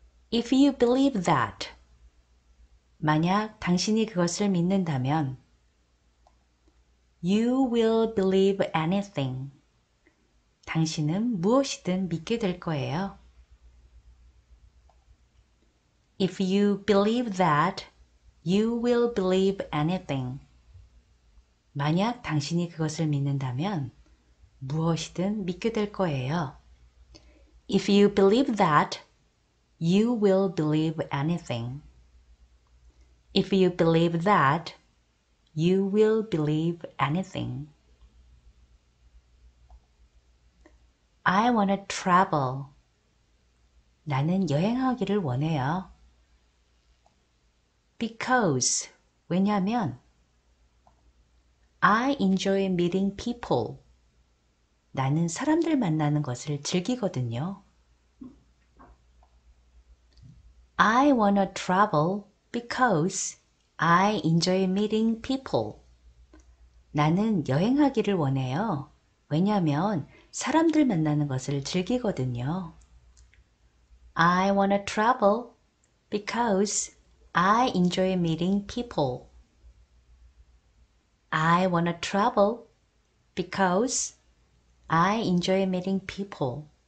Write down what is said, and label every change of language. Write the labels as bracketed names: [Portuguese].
[English] If you believe that, [Korean] 만약 당신이 그것을 믿는다면, [English] You will believe anything. [Korean] 당신은 무엇이든 믿게 될 거예요. [English] If you believe that, you will believe anything. [Korean] 만약 당신이 그것을 믿는다면 무엇이든 믿게 될 거예요. [English] If you believe that, you will believe anything. If you believe that, You will believe anything. I want to travel. [Korean] 나는 여행하기를 원해요. [English] Because, [Korean] 왜냐면, [English] I enjoy meeting people. [Korean] 나는 사람들 만나는 것을 즐기거든요. [English] I want to travel because I enjoy meeting people. [Korean] 나는 여행하기를 원해요. 왜냐하면 사람들 만나는 것을 즐기거든요. [English] I want to travel because I enjoy meeting people. I want to travel because I enjoy meeting people.